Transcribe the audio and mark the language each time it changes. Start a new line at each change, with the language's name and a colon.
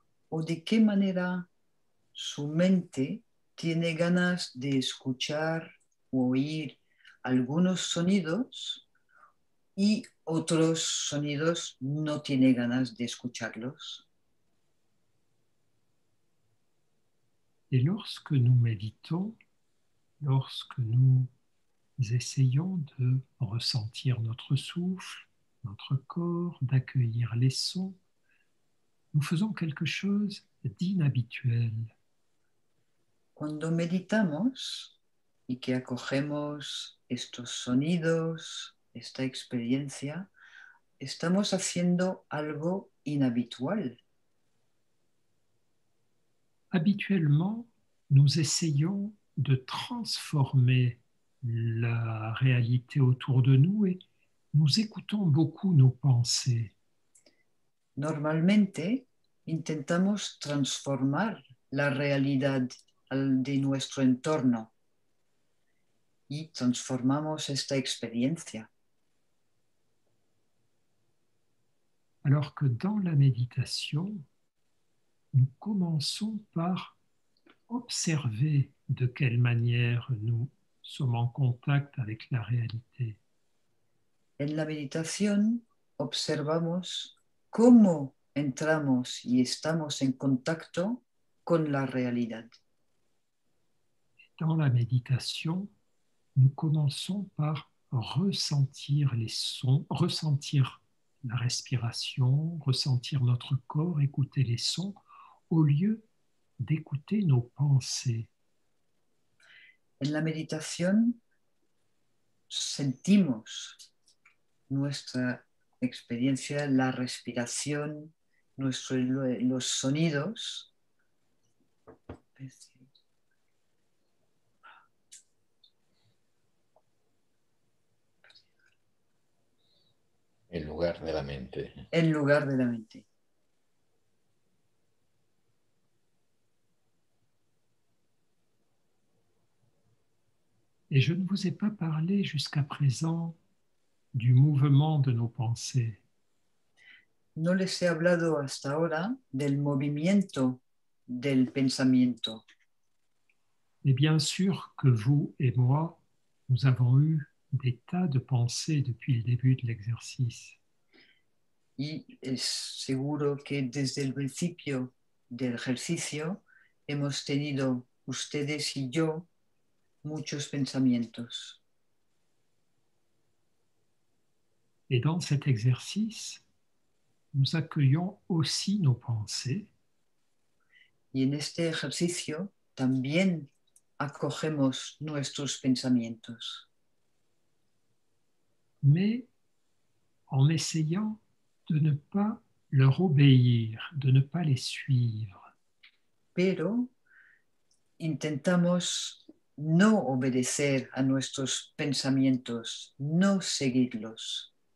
Spanish: O de qué manera su mente tiene ganas de escuchar o oír algunos sonidos y otros sonidos no tiene ganas de escucharlos.
French: Et lorsque nous méditons, lorsque nous essayons de ressentir notre souffle, notre corps, d'accueillir les sons, nous faisons quelque chose d'inhabituel.
Spanish: Cuando meditamos y que acogemos estos sonidos, esta experiencia, estamos haciendo algo inhabitual.
French: Habituellement, nous essayons de transformer la réalité autour de nous et nous écoutons beaucoup nos pensées.
Spanish: Normalmente, intentamos transformar la realidad de nuestro entorno y transformamos esta experiencia.
French: Alors que dans la méditation, nous commençons par observer de quelle manière nous sommes en contact avec la réalité.
Spanish: En la meditación observamos cómo entramos y estamos en contacto con la realidad.
French: Dans la méditation, nous commençons par ressentir les sons, ressentir la respiration, ressentir notre corps, écouter les sons, au lieu d'écouter nos pensées.
Spanish: En la meditación sentimos nuestra experiencia, la respiración, los sonidos. En lugar de la mente. En lugar de la mente.
French: Et je ne vous ai pas parlé jusqu'à présent du mouvement de nos pensées.
Spanish: No les he hablado hasta ahora del movimiento del pensamiento.
French: Et bien sûr que vous et moi, nous avons eu des tas de pensées depuis le début de l'exercice.
Spanish: Y es seguro que desde el principio del ejercicio hemos tenido ustedes y yo muchos pensamientos.
French: Et dans cet exercice, nous accueillons aussi nos pensées.
Spanish: Y en este ejercicio también acogemos nuestros pensamientos.
French: Mais en essayant de ne pas leur obéir, de ne pas les suivre.
Spanish: Pero intentamos no obedecer a nuestros pensamientos, no seguirlos.